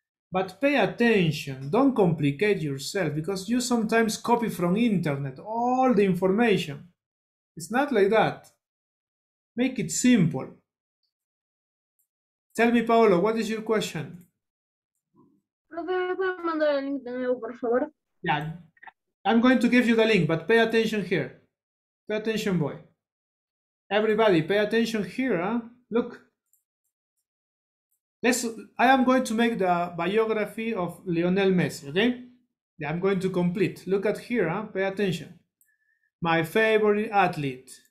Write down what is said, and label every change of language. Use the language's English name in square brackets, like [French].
[English] But pay attention, don't complicate yourself because you sometimes copy from internet all the information. It's not like that. Make it simple. Tell me, Paolo, what is your question? [Spanish] ¿Puedo mandar el link de nuevo, por favor? [English] Yeah. I'm going to give you the link, but pay attention here. Pay attention, boy. Everybody, pay attention here, huh? Look. I am going to make the biography of Lionel Messi, okay? Yeah, I'm going to complete. Look at here, huh? Pay attention. My favorite athlete.